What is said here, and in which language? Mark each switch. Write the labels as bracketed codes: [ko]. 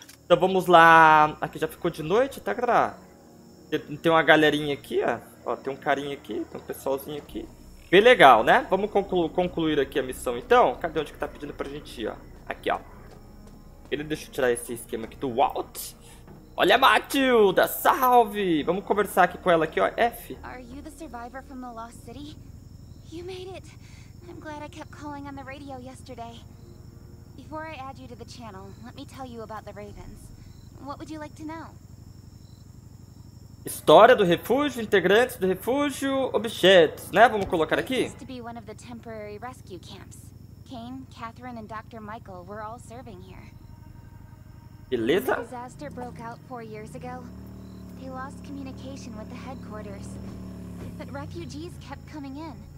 [pt] Então vamos lá. Aqui já ficou de noite, tá, galera? Tem uma galerinha aqui, ó. Ó, tem um carinha aqui, tem um pessoalzinho aqui. Bem legal, né? Vamos concluir aqui a missão, então. Cadê onde que tá pedindo pra gente ir, ó? Aqui, ó. Ele deixa eu tirar esse esquema aqui do Walt. Olha a Matilda, salve! Vamos conversar aqui com ela aqui, ó. F. [en] Are you the survivor from the Lost City? You made it. I'm glad I kept calling on the radio yesterday. Before I add you to the channel, let me tell you about the Ravens. What would you like to know? [pt] História do refúgio, integrantes do refúgio, objetos, né? Vamos colocar aqui. [en] It used to be one of the temporary rescue camps. Kane, Catherine and Dr. Michael were all serving here. [pt] Beleza? [en] The disaster broke out 4 years ago. They lost communication with the headquarters. But refugees kept coming in.